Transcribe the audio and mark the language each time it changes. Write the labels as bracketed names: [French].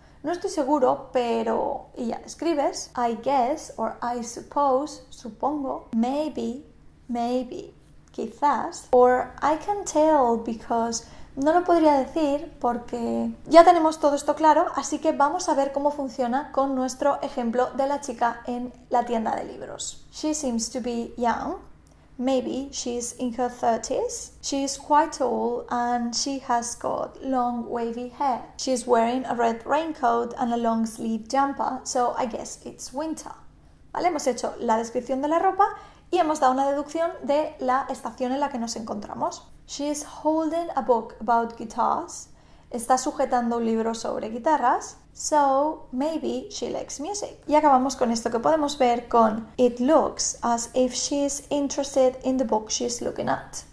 [Spanish] No estoy seguro, pero... Y ya, escribes [English] I guess, or I suppose, [Spanish] supongo, [English] maybe, maybe, [Spanish] quizás, [English] or I can tell because... [Spanish] No lo podría decir porque ya tenemos todo esto claro, así que vamos a ver cómo funciona con nuestro ejemplo de la chica en la tienda de libros. [English] She seems to be young. Maybe she's in her 30s. She's quite tall and she has got long wavy hair. She's wearing a red raincoat and a long sleeve jumper, so I guess it's winter. [Spanish] ¿Vale? Hemos hecho la descripción de la ropa y hemos dado una deducción de la estación en la que nos encontramos. [English] She is holding a book about guitars. [Spanish] Está sujetando un libro sobre guitarras. [English] So, maybe she likes music. [Spanish] Y acabamos con esto que podemos ver con [English] It looks as if she's interested in the book she's looking at.